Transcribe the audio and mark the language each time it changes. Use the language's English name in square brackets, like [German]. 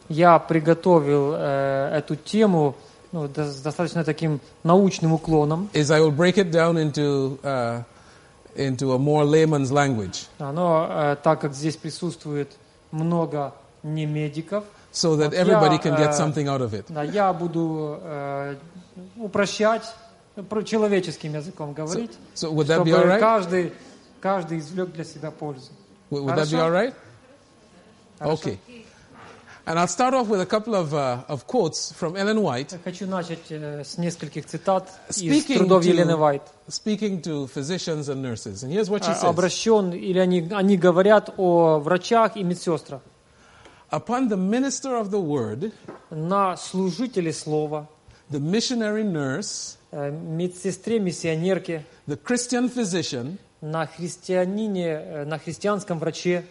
[Russian] Я приготовил эту тему, ну, достаточно таким научным уклоном. [English] Is I will break it down into a more layman's language. [Russian] Но так как здесь присутствует много не медиков. [English] So that everybody can get something out of it. [Russian] Да, я буду упрощать, про человеческим языком говорить, [English] so would that [Russian] чтобы [English] be all right? [Russian] каждый извлек для себя пользу. [English] Would that be all right? [Russian] Хорошо. [English] Okay. And I'll start off with a couple of quotes from Ellen White. [Russian] Хочу начать с нескольких цитат из трудов Елены Уайт. [English] Speaking to physicians and nurses, and here's what she says. [Russian] Обращен или они говорят о врачах и медсестрах. [English] Upon the minister of the word, [Russian] на служителе слова, [English] the missionary nurse, [Russian] медсестре-миссионерке, [English] the Christian physician, [Russian] на христианском враче,